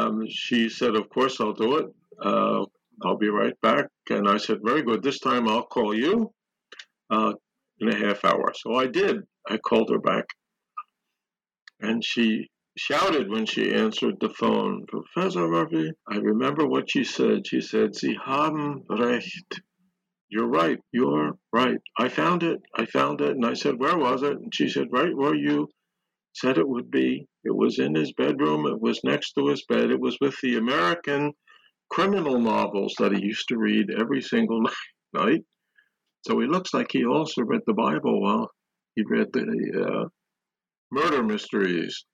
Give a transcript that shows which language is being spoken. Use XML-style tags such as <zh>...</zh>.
<en>She said, of course, I'll do it. I'll be right back. And I said, very good. This time I'll call you in a half hour. So I did. I called her back. And she shouted when she answered the phone, Professor Murphy, I remember what she said. She said,</en> <de>Sie haben recht.</de> <en>You're right. You're right. I found it. I found it. And I said, where was it? And she said, right where you said it would be. It was in his bedroom. It was next to his bed. It was with the American criminal novels that he used to read every single night. So he looks like he also read the Bible while he read the murder mysteries.</en>